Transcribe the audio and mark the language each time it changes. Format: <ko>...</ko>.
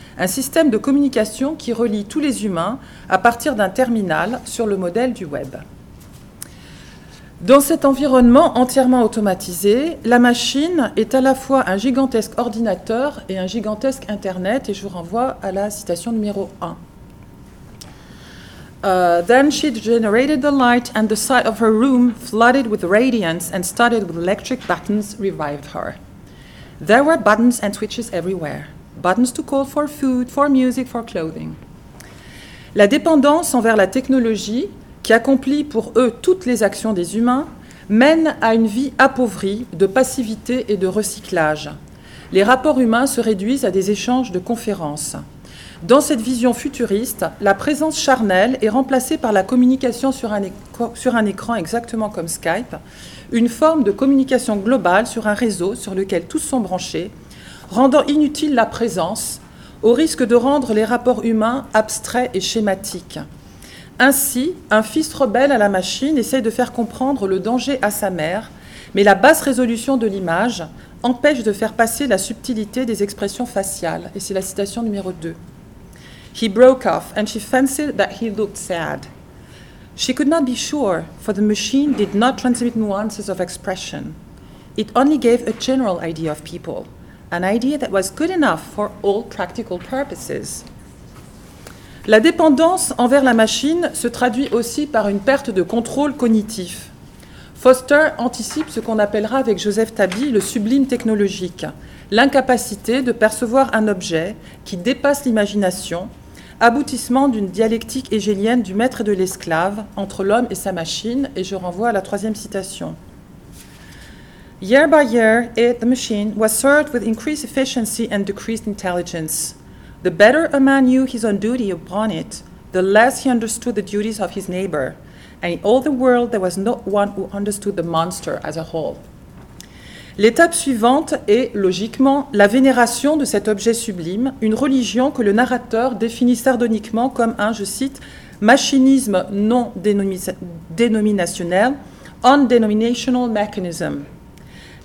<fr>un système de communication qui relie tous les humains à partir d'un terminal sur le modèle du web. Dans cet environnement entièrement automatisé, la machine est à la fois un gigantesque ordinateur et un gigantesque Internet, et je vous renvoie à la citation numéro 1.</fr> <en>Then she generated the light, and the side of her room flooded with radiance and studded with electric buttons revived her. There were buttons and switches everywhere. Buttons to call for food, for music, for clothing.</en> <fr>La dépendance envers la technologie, qui accomplit pour eux toutes les actions des humains, mène à une vie appauvrie de passivité et de recyclage. Les rapports humains se réduisent à des échanges de conférences. Dans cette vision futuriste, la présence charnelle est remplacée par la communication sur un écran exactement comme Skype, une forme de communication globale sur un réseau sur lequel tous sont branchés, rendant inutile la présence, au risque de rendre les rapports humains abstraits et schématiques. Ainsi, un fils rebelle à la machine essaye de faire comprendre le danger à sa mère, mais la basse résolution de l'image empêche de faire passer la subtilité des expressions faciales. Et c'est la citation numéro 2.</fr> <en>He broke off, and she fancied that he looked sad. She could not be sure, for the machine did not transmit nuances of expression. It only gave a general idea of people, an idea that was good enough for all practical purposes.</en> <fr>La dépendance envers la machine se traduit aussi par une perte de contrôle cognitif. Foster anticipe ce qu'on appellera avec Joseph Taby le sublime technologique, l'incapacité de percevoir un objet qui dépasse l'imagination, aboutissement d'une dialectique hégélienne du maître et de l'esclave entre l'homme et sa machine, et je renvoie à la troisième citation.</fr> <en>Year by year, the machine was served with increased efficiency and decreased intelligence. The better a man knew his own duty upon it, the less he understood the duties of his neighbor. And in all the world, there was no one who understood the monster as a whole.</en> <fr>L'étape suivante est, logiquement, la vénération de cet objet sublime, une religion que le narrateur définit sardoniquement comme un, je cite, « machinisme non dénominationnel,</fr> <en>undenominational mechanism ».</en>